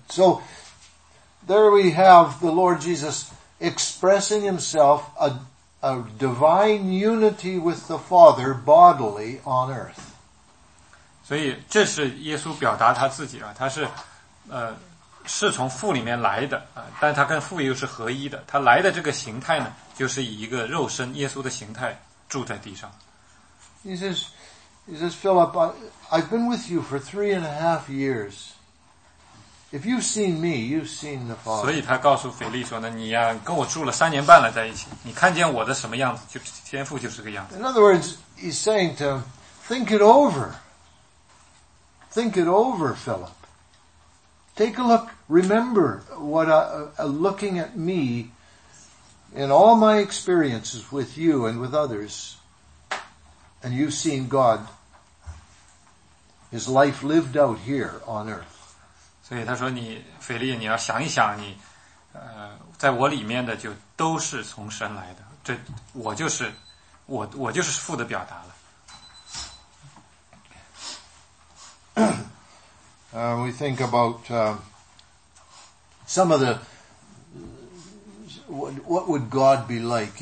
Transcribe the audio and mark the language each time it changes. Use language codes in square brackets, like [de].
[en] So there we have the Lord Jesus expressing Himself a divine unity with the Father bodily on earth. [zh] 所以这是耶稣表达他自己啊，他是。是从父里面来的啊，但他跟父又是合一的。他来的这个形态呢，就是以一个肉身耶稣的形态住在地上。 [en] He says, Philip, I've been with you for 3.5 years. If you've seen me, you've seen the Father. [zh] 所以他告诉腓力说呢，你呀、啊，跟我住了三年半了，在一起，你看见我的什么样子，就天父就是个样子。 [en] In other words, he's saying to him, think it over, Philip. Take a look, remember what looking at me in all my experiences with you and with others, and you've seen God, his life lived out here on earth. [zh] 所以他说你腓力你要想一想你在我里面的就都是从神来的这我就是父的表达了。 [en] We think about some of the what would God be like?